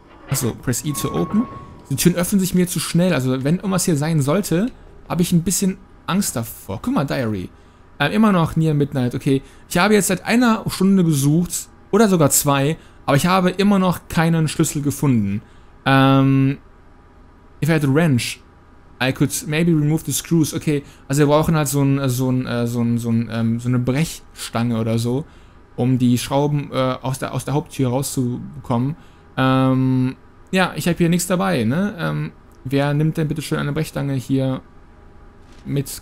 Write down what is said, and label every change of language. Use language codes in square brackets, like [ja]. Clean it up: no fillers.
[de] Achso, [en] press E to open. [de] Die Türen öffnen sich mir zu schnell, also wenn irgendwas hier sein sollte, habe ich ein bisschen Angst davor. Guck mal, Diary. Immer noch Near Midnight, okay. Ich habe jetzt seit einer Stunde gesucht, oder sogar zwei, aber ich habe immer noch keinen Schlüssel gefunden. [en] If I had a wrench, I could maybe remove the screws. [de] Okay, also wir brauchen halt so eine Brechstange oder so, um die Schrauben aus der Haupttür rauszubekommen. Ja, ich habe hier nichts dabei, ne? Wer nimmt denn bitte schön eine Brechstange hier mit?